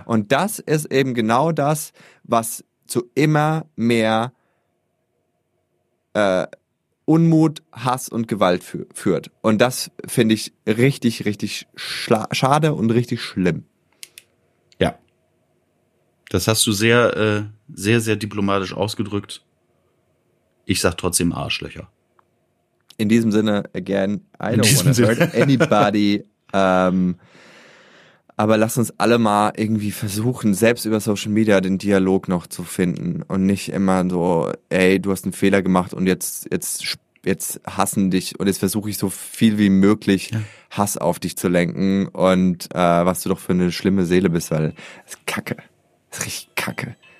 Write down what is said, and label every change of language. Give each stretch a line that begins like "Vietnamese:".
German: Und das ist eben genau das, was zu immer mehr Unmut, Hass und Gewalt führt. Und das finde ich richtig, richtig schade und richtig schlimm. Ja. Das hast du sehr, sehr, sehr diplomatisch ausgedrückt. Ich sag trotzdem Arschlöcher. In diesem Sinne,
English: again, I don't want to hurt anybody.
German: aber lass uns alle mal irgendwie versuchen, selbst über Social Media den Dialog noch zu finden und nicht immer so, ey, du hast einen Fehler gemacht und jetzt hassen dich und jetzt versuche ich so viel wie möglich Hass auf dich zu lenken und was du doch für eine schlimme Seele bist, weil das ist kacke, das ist richtig kacke.